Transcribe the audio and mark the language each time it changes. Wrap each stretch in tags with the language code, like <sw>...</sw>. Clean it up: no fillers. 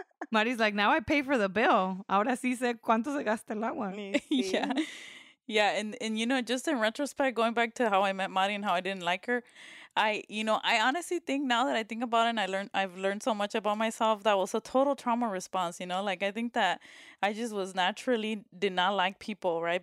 <en>Mari's like, now I pay for the bill.</en> <es>Ahora sí sé cuánto se gasta el agua.</es> <en>Yeah, and you know, just in retrospect, going back to how I met Mari and how I didn't like her, I honestly think now that I think about it and I've learned so much about myself, that was a total trauma response, you know? Like, I think that I just was naturally did not like people, right?</en>